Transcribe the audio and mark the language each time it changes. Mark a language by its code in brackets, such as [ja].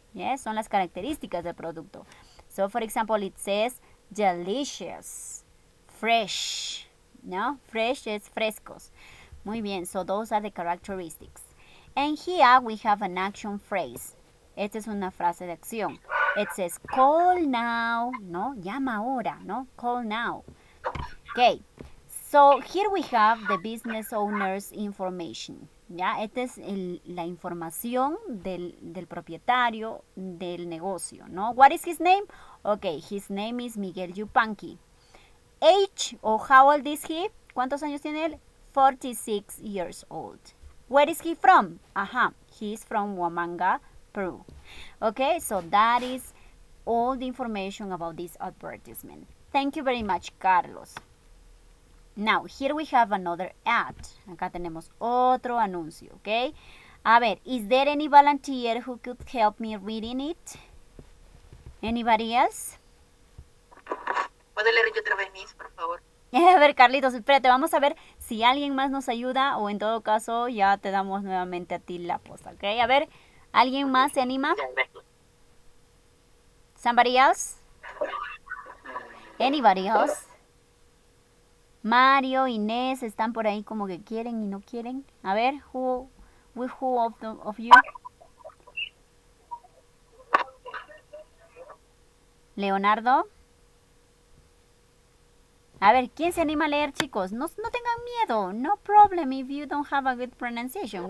[en] Yes, [es] son las características del producto. [en] So, for example, it says delicious, fresh, ¿no? Fresh [es] es frescos. Muy bien, [en] so those are the characteristics. And here we have an action phrase. [es] Esta es una frase de acción. [en] It says, call now, ¿no? [es] Llama ahora, [en] ¿no? Call now. Okay. So here we have the business owner's information. [es] Ya, esta es la información del propietario del negocio, ¿no? [en] What is his name? Okay, his name is Miguel Yupanqui. Age, o how old is he? [es] ¿Cuántos años tiene él? [en] 46 years old. Where is he from? Ajá, he's from Huamanga, Peru. Okay, so that is all the information about this advertisement. Thank you very much, Carlos. Now, here we have another ad. [es] Acá tenemos otro anuncio, [en] okay? A ver, is there any volunteer who could help me reading it? Anybody else? [es] ¿Puedo leer yo otra vez, Miss, por favor? A ver, Carlitos, espérate, vamos a ver si alguien más nos ayuda o en todo caso ya te damos nuevamente a ti la posta, okay? A ver, ¿alguien más se anima? [en] Somebody else? Anybody else? [es] Mario, Inés, están por ahí como que quieren y no quieren. [en] A ver, who of you? Leonardo. [es] A ver, ¿quién se anima a leer, chicos? No, no tengan miedo. [en] No problem if you don't have a good pronunciation.